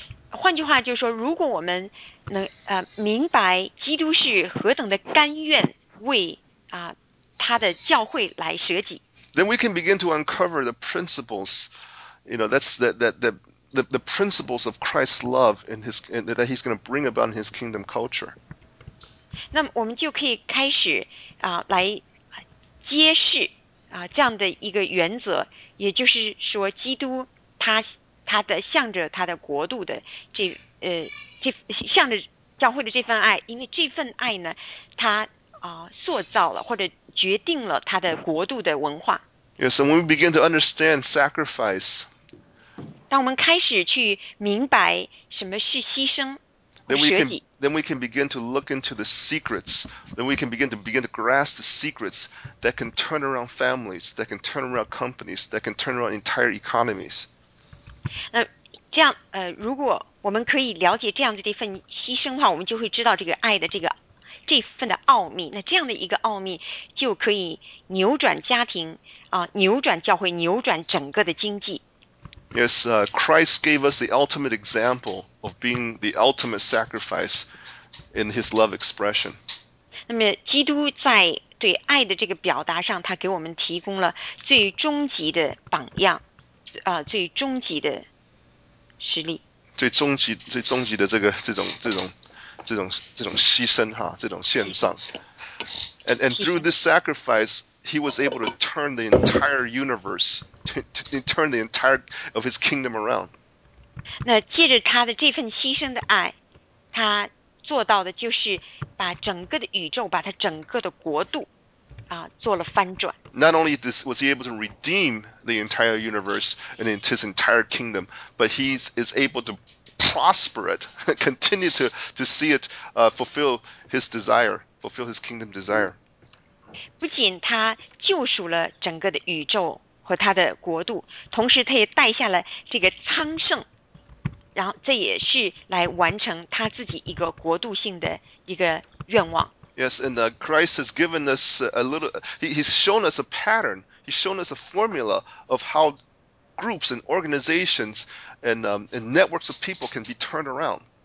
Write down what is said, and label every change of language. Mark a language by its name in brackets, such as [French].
[Chinese] 换句话就是说，如果我们能明白基督是何等的甘愿。为他的教会来舍己。 [English] Then we can begin to uncover the principles, you know, that's the principles of Christ's love and his and that he's going to bring about in his kingdom culture. [Chinese] 那么我们就可以开始来揭示这样的一个原则，也就是说，基督他的向着他的国度的这向着教会的这份爱，因为这份爱呢，他。塑造了或者决定了他的国度的文化。 [English] Yes, and when we begin to understand sacrifice, [Chinese] 当我们开始去明白什么是牺牲， [English] then we can begin to look into the secrets. Then we can begin to grasp the secrets that can turn around families, that can turn around companies, that can turn around entire economies. [Chinese] 这样如果我们可以了解这样的一份牺牲的话，我们就会知道这个爱的这个。这份的奥秘，那这样的一个奥秘就可以扭转家庭扭转教会，扭转整个的经济。 [English] Yes, Christ gave us the ultimate example of being the ultimate sacrifice in His love expression. [Chinese] 那么，基督在对爱的这个表达上，他给我们提供了最终极的榜样最终极的实例。最终极的这种。这种牺牲哈，这种献上 [English] ，and through this sacrifice, he was able to turn the entire universe, to turn the entire of his kingdom around. [Chinese] 那借着他的这份牺牲的爱，他做到的就是把整个的宇宙，把他整个的国度做了翻转。 [English] Not only was he able to redeem the entire universe and his entire kingdom, but he is able to prosper it, continue to see it fulfill his desire, fulfill his kingdom desire. [Chinese] 不仅他救赎了整个的宇宙和他的国度，同时他也带下了这个昌盛，然后这也是来完成他自己一个国度性的一个愿望。 [English] Yes, and Christ has given us a little, he's shown us a pattern, he's shown us a formula of how groups and organizations and networks of people can be turned around.